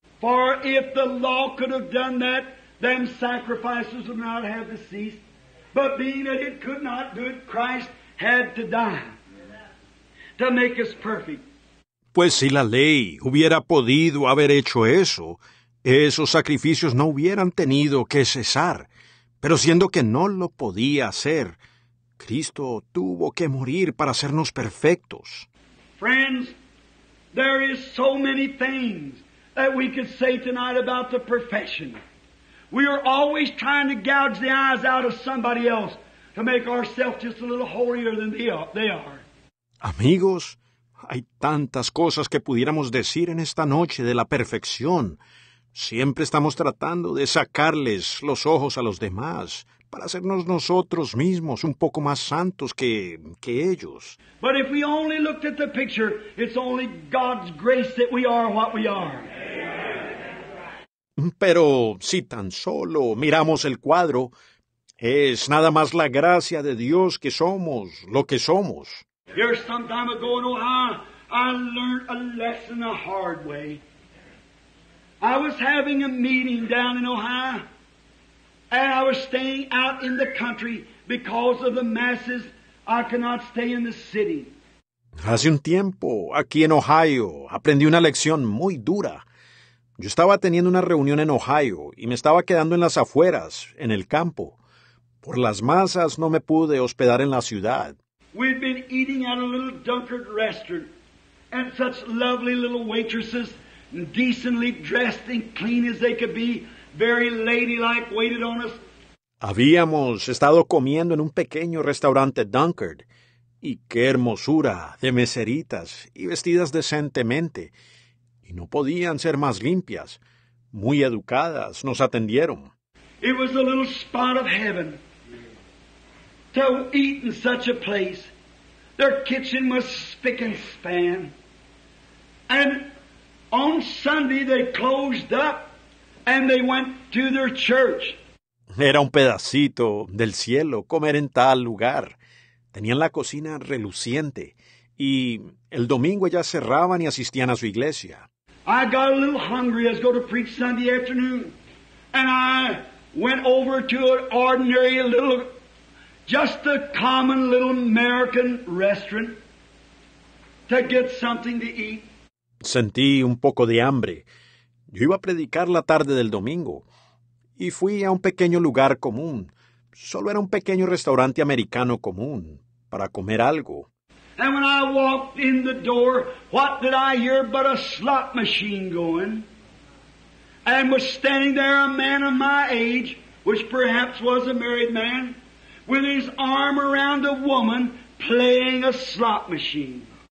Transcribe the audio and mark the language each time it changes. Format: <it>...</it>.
<en>For if the law could have done that, then sacrifices would not have ceased. But being that it could not do it, Christ had to die to make us perfect.</en> <es>Pues si la ley hubiera podido haber hecho eso, esos sacrificios no hubieran tenido que cesar. Pero siendo que no lo podía hacer, Cristo tuvo que morir para hacernos perfectos.</es> <en>Friends, there is so many things that we could say tonight about the perfection. We are always trying to gouge the eyes out of somebody else to make ourselves just a little holier than they are.</en> <es>Amigos, hay tantas cosas que pudiéramos decir en esta noche de la perfección. Siempre estamos tratando de sacarles los ojos a los demás para hacernos nosotros mismos un poco más santos que ellos.</es> <en>But if we only looked at the picture, it's only God's grace that we are what we are.</en> <es>Pero si tan solo miramos el cuadro, es nada más la gracia de Dios que somos lo que somos.</es> <en>Here some time ago in Ohio, I learned a lesson the hard way. I was having a meeting down in Ohio, and I was staying out in the country because of the masses. I cannot stay in the city.</en> <es>Hace un tiempo, aquí en Ohio, aprendí una lección muy dura. Yo estaba teniendo una reunión en Ohio y me estaba quedando en las afueras, en el campo. Por las masas no me pude hospedar en la ciudad.</es> <en>We've been eating at a little dunkard restaurant, and such lovely little waitresses, decently dressed and clean as they could be, very ladylike, waited on us.</en> <es>Habíamos estado comiendo en un pequeño restaurante dunkard, y qué hermosura de meseritas y vestidas decentemente, y no podían ser más limpias. Muy educadas, nos atendieron.</es> <en>It was a little spot of heaven to eat in such a place. Their kitchen was spick and span. And on Sunday they closed up and they went to their church.</en> <es>Era un pedacito del cielo comer en tal lugar. Tenían la cocina reluciente y el domingo ya cerraban y asistían a su iglesia.</es> <en>I got a little hungry as I go to preach Sunday afternoon, and I went over to an ordinary little, just a common little American restaurant to get something to eat.</en> <es>Sentí un poco de hambre. Yo iba a predicar la tarde del domingo, y fui a un pequeño lugar común. Solo era un pequeño restaurante americano común para comer algo.</es> <en>And when I walked in the door, what did I hear but a slot machine going? And was standing there a man of my age, which perhaps was a married man, with his arm around a woman playing a slot machine.</en>